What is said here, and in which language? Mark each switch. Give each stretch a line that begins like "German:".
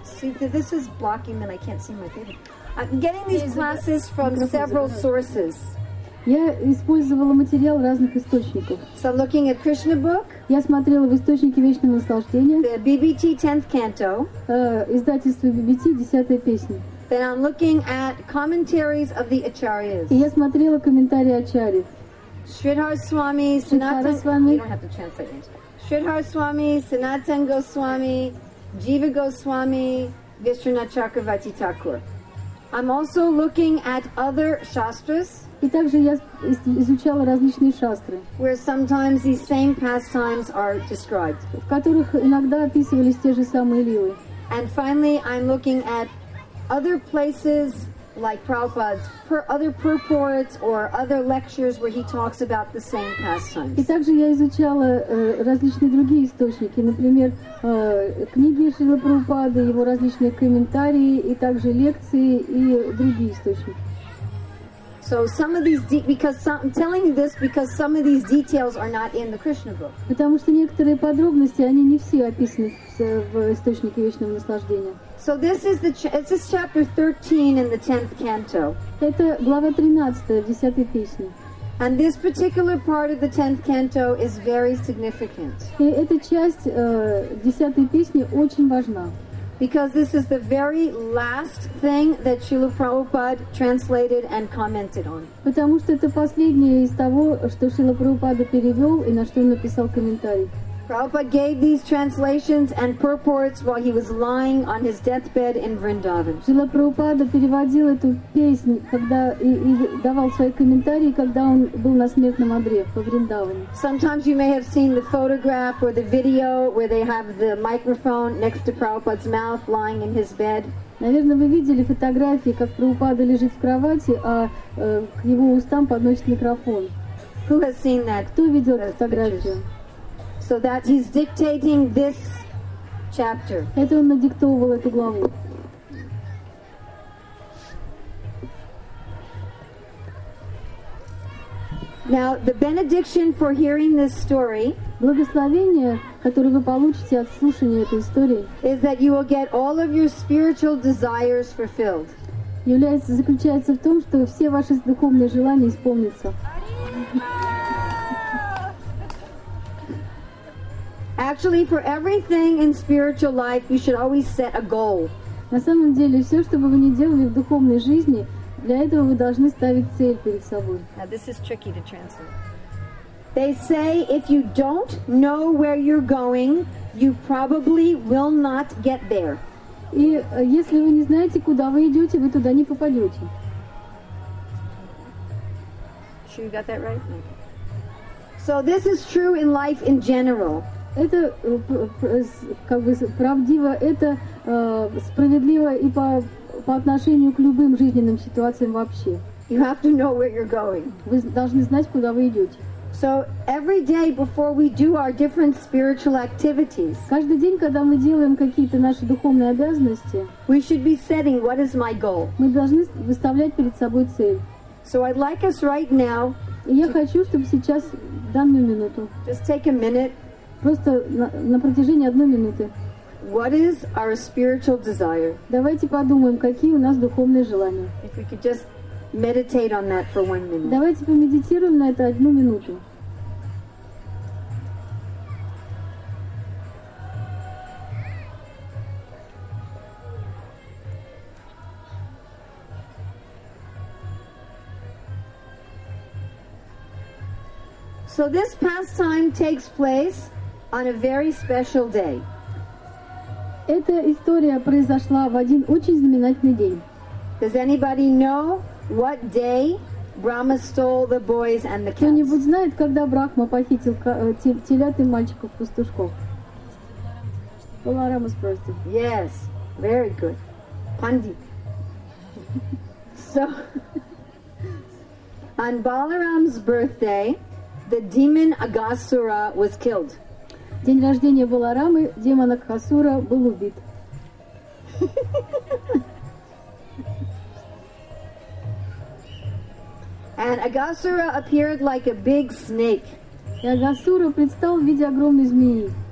English: See, this is blocking, and I can't see my paper. I'm getting these classes from several sources.
Russian: Я использовала материал разных источников.
English: So I'm looking at Krishna book.
Russian: Я смотрела в источники вечного наслаждения.
English: The BBT 10th canto.
Russian: Издательство BBT 10-я песня.
English: Then I'm looking at commentaries of the Acharyas.
Russian: И я смотрела комментарии Ачарьев.
English: Shridhar Swami, Sanatan Goswami. You don't have to translate it. Shridhar Swami, Sanatan Goswami, Jiva Goswami, Vishwanath Chakravarti Thakur. I'm also looking at other shastras.
Russian: И также я изучала различные шастры,
English: where sometimes these same pastimes are described.
Russian: В которых иногда описывались те же самые лилы.
English: And finally, I'm looking at other places like Prabhupada's other purports or other lectures where he talks about the same pastimes.
Russian: И также я изучала различные другие источники, например, книги Шрилы Прабхупады, его различные комментарии, и также лекции и другие источники.
English: So some of these I'm telling you this because some of these details are not in the Krishna book.
Russian: Потому что некоторые подробности они не все описаны в источнике вечного наслаждения.
English: So this is chapter 13 in the 10th canto.
Russian: Это глава 13 в 10-й песне.
English: And this particular part of the 10th canto is very significant.
Russian: И эта часть 10-й песни очень важна.
English: Because this is the very last thing that Srila Prabhupada translated and commented on.
Russian: Потому что это последнее из того, что Шрила Прабхупада перевёл и на что он написал комментарий.
English: Prabhupada gave these translations and purports while he was lying on his deathbed in Vrindavan.
Russian: Шрила Прабхупада переводил эту песню, когда и давал свои комментарии, когда он был на смертном одре в Вриндаване.
English: Sometimes you may have seen the photograph or the video where they have the microphone next to Prabhupada's mouth lying in his bed.
Russian: Наверное, вы видели фотографии, как Прабхупада лежит в кровати, а к его устам подносит микрофон.
English: Who has seen that?
Russian: Кто видел эту фотографию?
English: So that he's dictating this chapter.
Russian: Это он надиктовывал эту главу.
English: Now the benediction for hearing this story.
Russian: Благословение, которое вы получите от слушания этой истории,
English: is that you will get all of your spiritual desires fulfilled.
Russian: Заключается в том, что все ваши духовные желания исполнятся.
English: Actually, for everything in spiritual life, you should always set a goal.
Russian: На самом деле, все, что бы вы ни делали в духовной жизни, для этого вы должны ставить цель перед собой.
English: Now, this is tricky to translate. They say, if you don't know where you're going, you probably will not get there.
Russian: И если вы не знаете, куда вы идете, вы туда не попадете.
English: Sure, you got that right? Okay. So this is true in life in general.
Russian: Это как бы правдиво, это справедливо и по отношению к любым жизненным ситуациям вообще.
English: You have to know where you're going.
Russian: Вы должны знать, куда вы идете.
English: So every day before we do our different spiritual activities.
Russian: Каждый день, когда мы делаем какие-то наши духовные обязанности,
English: we should be setting what is my goal.
Russian: Мы должны выставлять перед собой цель.
English: So I'd like us right now.
Russian: Я хочу, чтобы сейчас, данную минуту.
English: Just take a minute.
Russian: Просто на протяжении одной минуты.
English: What is our spiritual desire?
Russian: Давайте подумаем, какие у нас духовные желания.
English: If we could just meditate on that for one minute.
Russian: Давайте помедитируем на это одну минуту.
English: So this pastime takes place on a very special day.
Russian: Эта история произошла в один очень знаменательный день.
English: Does anybody know what day Brahma stole the boys and the cats?
Russian: Кто-нибудь знает, когда Брахма похитил телят и мальчиков пастушков? Баларама спросил.
English: Yes, very good, Pandit. So, on Balaram's birthday, the demon Agasura was killed.
Russian: День рождения Баларамы, демон Агасура был убит.
English: And Agasura appeared like a big snake.
Russian: И Агасура предстал в виде огромной змеи.